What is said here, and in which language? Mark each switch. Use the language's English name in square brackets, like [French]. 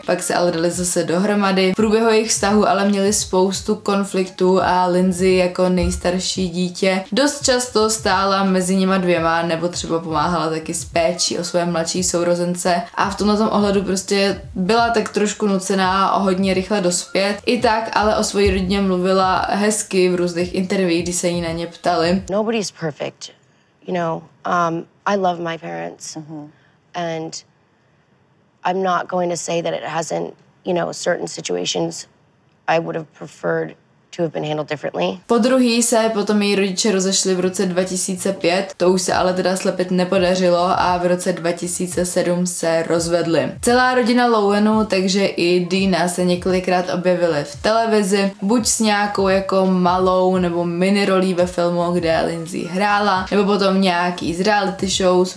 [Czech] Pak se ale dali zase dohromady. V průběhu jejich vztahu ale měli spoustu konfliktů a Lindsay jako nejstarší dítě dost často stála mezi nima dvěma nebo třeba pomáhala taky s péčí o své mladší sourozence a v tomto ohledu prostě byla tak trošku nucená o hodně rychle dospět. I tak ale o své rodině mluvila hezky v různých intervích, kdy se jí na ně ptali. [English] Nobody's perfect. You know, I love my parents. Mm-hmm. And I'm not going to say that it hasn't, you know, certain situations I would have preferred to have been handled differently. [Czech] Po druhý se potom její rodiče rozešli v roce 2005, to už se ale teda slepit nepodařilo a v roce 2007 se rozvedli. Celá rodina Lohanů, takže i Deana, se několikrát objevili v televizi, buď s nějakou jako malou nebo mini rolí ve filmu, kde Lindsay hrála, nebo potom nějaký z reality shows.